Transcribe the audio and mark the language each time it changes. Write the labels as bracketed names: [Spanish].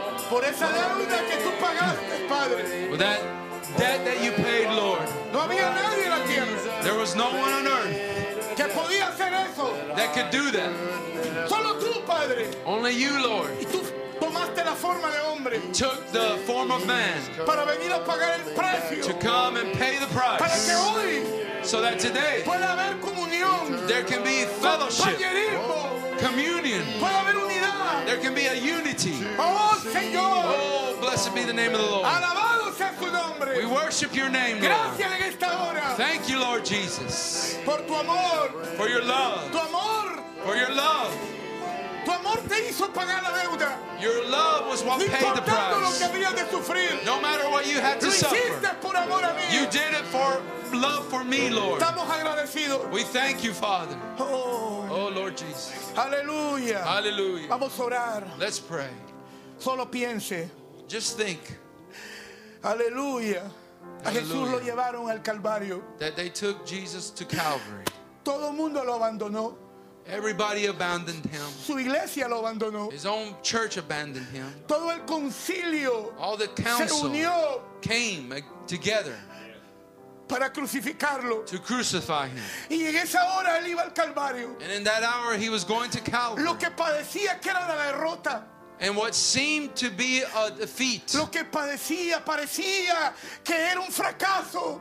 [Spanish] Por esa deuda que tú pagaste, Padre. [English] For that debt that you paid, Lord. [Spanish] No había nadie en la tierra. [English] There was no one on earth [Spanish] que podía hacer eso. [English] That could do that. [Spanish] Solo tú, Padre. [English] Only you, Lord. [Spanish] Y tú tomaste la forma de hombre. [English] Took the form of man. [Spanish] Para venir a pagar el precio. [English] To come and pay the price. [Spanish] Para que hoy. [English] So that today. [Spanish] Puede haber comunión. [English] There can be fellowship. Communion. [Spanish] Puede haber unidad. [English] There can be a unity. [Spanish] Oh, Señor. [English] Oh, blessed be the name of the Lord. [Spanish] Alabado sea tu nombre. [English] We worship your name, [Spanish] gracias [English] Lord. [Spanish] En esta hora. [English] Thank you, Lord Jesus. [Spanish] Por tu amor. [English] For your love. [Spanish] Tu amor. [English] For your love. [Spanish] Tu amor te hizo pagar la deuda. [English] Your love was what paid the price. [Spanish] Lo que había de sufrir. [English] No matter what you had to [Spanish] lo hiciste [English] suffer. [Spanish] Por amor a mí. [English] You did it for love for me, Lord. [Spanish] Estamos agradecidos. [English] We thank you, Father. Oh, Lord Jesus. Hallelujah. Hallelujah. [Spanish] Vamos a orar. [English] Let's pray. [Spanish] Solo piense. [English] Just think. Hallelujah. [Spanish] A Jesús lo llevaron al Calvario. [English] That they took Jesus to Calvary. [Spanish] Todo mundo lo abandonó. [English] Everybody abandoned him. [Spanish] Su iglesia lo abandonó. [English] His own church abandoned him. [Spanish] Todo el concilio. [English] All the council [Spanish] se unió. [English] Came together. [Spanish] Para crucificarlo. [English] To crucify him. [Spanish] Y en esa hora él iba al Calvario. [English] And in that hour he was going to Calvary. [Spanish] Lo que padecía que era la derrota. [English] And what seemed to be a defeat. [Spanish] Lo que padecía, parecía que era un fracaso.